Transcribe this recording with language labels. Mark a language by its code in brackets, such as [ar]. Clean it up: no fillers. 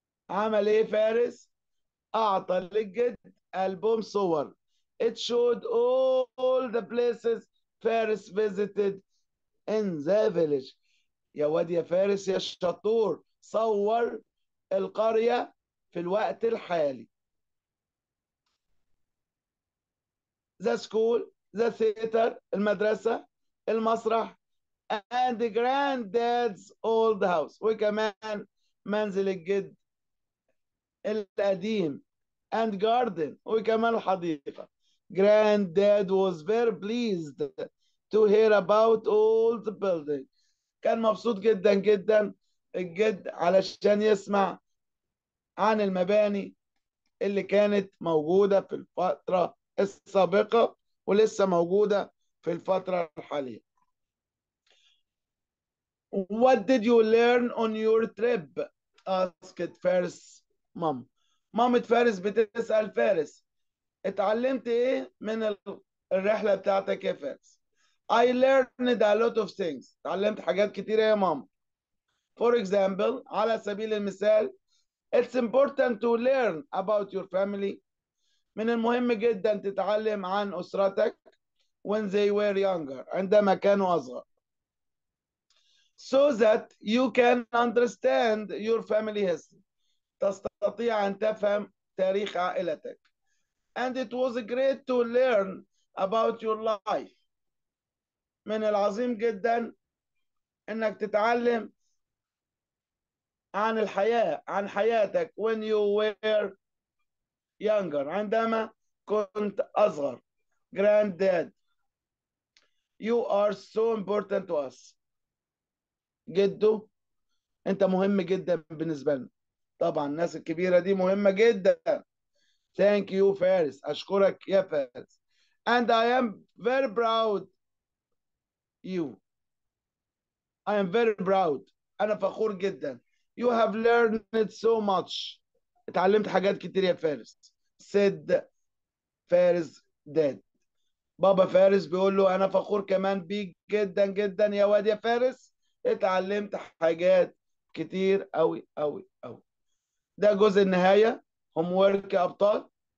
[ar] عمل إيه فارس؟ أعطى للجد ألبوم صور. [en] It showed all the places Faris visited in the village. [ar] يا واد يا فارس يا شطور صور القرية في الوقت الحالي. [en] The school, the theater, [ar] المدرسة, المسرح, [en] and the granddad's old house. [ar] وكمان منزل الجد القديم. [en] And garden. [ar] وكمان الحديقة. [en] Granddad was very pleased to hear about all the building. [ar] كان مبسوط جدا جدا الجد علشان يسمع عن المباني اللي كانت موجودة في الفترة السابقة ولسه موجودة في الفترة الحالية. [en] What did you learn on your trip? asked [ar] فارس مام. مامة فارس بتسأل فارس اتعلمت ايه من الرحلة بتاعتك يا فارس؟ [en] I learned a lot of things. [ar] اتعلمت حاجات كتيرة يا ماما. [en] For example, [ar] على سبيل المثال, [en] it's important to learn about your family. [ar] من المهم جدا تتعلم عن أسرتك [en] when they were younger, [ar] عندما كانوا أصغر. [en] So that you can understand your family history. [ar] تستطيع أن تفهم تاريخ عائلتك. [en] And it was great to learn about your life. [ar] من العظيم جدا إنك تتعلم عن الحياة، عن حياتك [en] when you were younger، [ar] عندما كنت أصغر. [en] Granddad, you are so important to us. [ar] جده، أنت مهم جدا بالنسبة لنا. طبعا الناس الكبيرة دي مهمة جدا. [en] Thank you [ar] فارس، أشكرك يا فارس. [en] And I am very proud you. I am very proud. [ar] أنا فخور جدا. [en] You have learned so much. [ar] اتعلمت حاجات كتير يا فارس. [en] Said Faris dad. [ar] بابا فارس بيقول له أنا فخور كمان بيك جدا جدا يا واد يا فارس. اتعلمت حاجات كتير أوي أوي أوي. ده جزء النهاية. Homework يا أبطال.